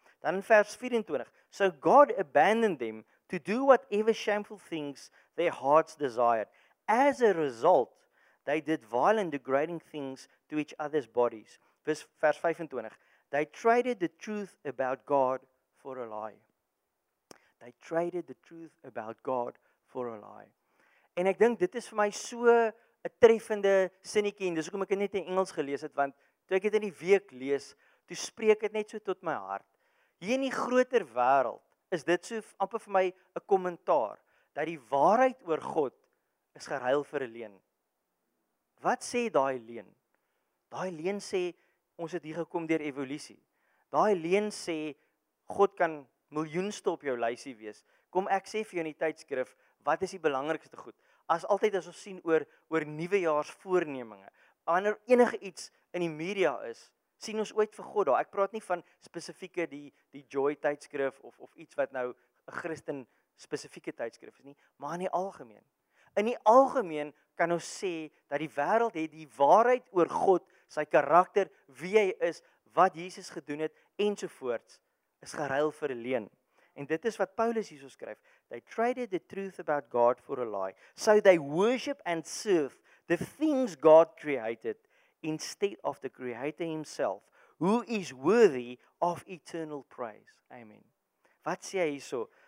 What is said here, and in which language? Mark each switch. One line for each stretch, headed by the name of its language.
Afrikaans: Dan in vers 24,
English: so God abandoned them to do whatever shameful things their hearts desired. As a result, they did vile and degrading things to each other's bodies. Vers 25. They traded the truth about God for a lie. They traded the truth about God for a lie.
Afrikaans: En ek dink dit is vir my so 'n treffende sinnetjie en dis hoekom ek dit net in Engels gelees het, want toe ek dit in die week lees, toe spreek dit net so tot my hart. Hier in die groter wêreld is dit so amper vir my 'n kommentaar dat die waarheid oor God is geruil vir 'n leuen. Wat sê daai leen? Daai leen sê ons het hier gekom deur evolusie. Daai leen sê God kan miljoenste op jou lysie wees. Kom ek sê vir jou in die tydskrif, wat is die belangrikste goed? As altyd as ons sien oor nuwejaarsvoorneminge, wanneer enige iets in die media is, sien ons ooit vir God daar. Ek praat nie van spesifieke die Joy tydskrif of iets wat nou 'n Christen spesifieke tydskrif is nie, maar in die algemeen. In die algemeen kan ons sê dat die wêreld het die waarheid oor God, sy karakter, wie hy is, wat Jesus gedoen het ensovoorts is geruil vir 'n leuen. En dit is wat Paulus hierso skryf.
English: They traded the truth about God for a lie. So they worship and serve the things God created instead of the creator himself, who is worthy of eternal praise. Amen.
Afrikaans: Wat sê hy hierso?